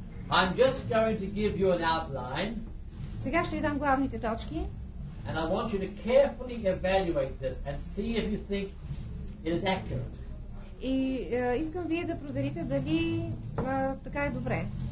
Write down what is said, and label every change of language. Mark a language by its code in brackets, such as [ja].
[en] I'm just going to give you an outline. [bg] Сега ще ви дам главните точки. [en] And I want you to carefully evaluate this and see if you think it is accurate. [bg] И искам вие да проверите дали така е добре.